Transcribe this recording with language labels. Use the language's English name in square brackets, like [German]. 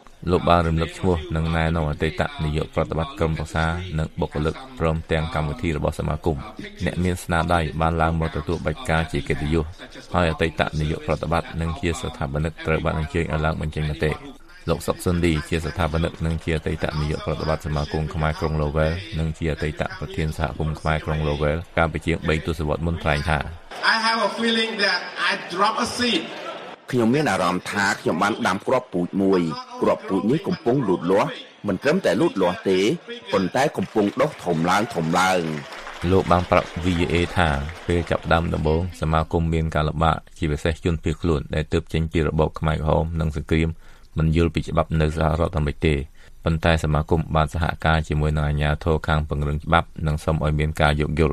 [Khmer] លោកបានរំលឹកឈ្មោះនិងណែនាំអតីតនាយកប្រតិបត្តិក្រុមប្រឹក្សានិងបុគ្គលិកព្រមទាំងកម្មវិធីរបស់សមាគមអ្នកមានស្នាដៃបានឡើងមកទទួលបាច់ការជាកិត្តិយសហើយអតីតនាយកប្រតិបត្តិនិងជាស្ថាបនិកត្រូវបានអញ្ជើញឲ្យឡើងបញ្ចេញមតិលោកសុកសុនឌីជាស្ថាបនិកនិងជាអតីតនាយកប្រតិបត្តិសមាគមខ្មែរក្រុង Lowell និងជាអតីតប្រធានសហគមន៍ខ្មែរក្រុង Lowell កាលពីជាង3ទសវត្សរ៍មុនថ្លែងថា [English] I have a feeling that I drop a seed [Khmer] ខ្ញុំមានអារម្មណ៍ថាខ្ញុំបានដាំគ្រាប់ពូជមួយគ្រាប់ពូជនេះកំពុងលូតលាស់មិនត្រឹមតែលូតលាស់ទេប៉ុន្តែកំពុងដុះធំឡើងធំឡើង លោកបានប្រាប់ VAA ថាពេលចាប់ដាំដំបូងសមាគមមានការលំបាកជាពិសេសជនភៀសខ្លួនដែលទើបចេញពីរបបខ្មែរក្រហមនិងសង្គ្រាមមិនយល់ពីច្បាប់នៅសហរដ្ឋអាមេរិកទេប៉ុន្តែសមាគមបានសហការជាមួយនឹងអាជ្ញាធរខាងពង្រឹងច្បាប់និងសុំឲ្យមានការយោគយល